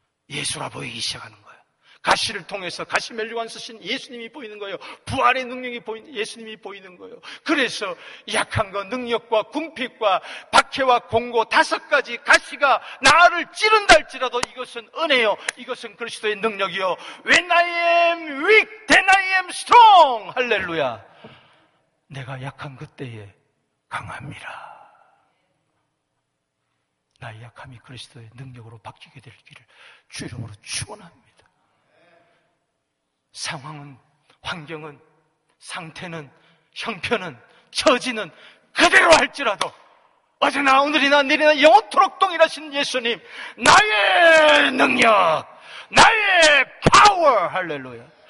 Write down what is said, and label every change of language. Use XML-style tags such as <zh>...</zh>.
<ko>예수가 보이기 시작하는 거예요. 가시를 통해서 가시 면류관 쓰신 예수님이 보이는 거예요. 부활의 능력이 보이는, 예수님이 보이는 거예요. 그래서 약한 거, 능력과 궁핍과 박해와 공고 다섯 가지 가시가 나를 찌른다 할지라도 이것은 은혜요. 이것은 그리스도의 능력이요.</ko> <en>When I am weak, then I am strong.</en> <ko>할렐루야. 내가 약한 그때에 강합니다. 나의 약함이 그리스도의 능력으로 바뀌게 되기를 주 이름으로 축원합니다. 상황은, 환경은, 상태는, 형편은, 처지는 그대로 할지라도 어제나 오늘이나 내일이나 영원토록 동일하신 예수님, 나의 능력, 나의 파워, 할렐루야.</ko>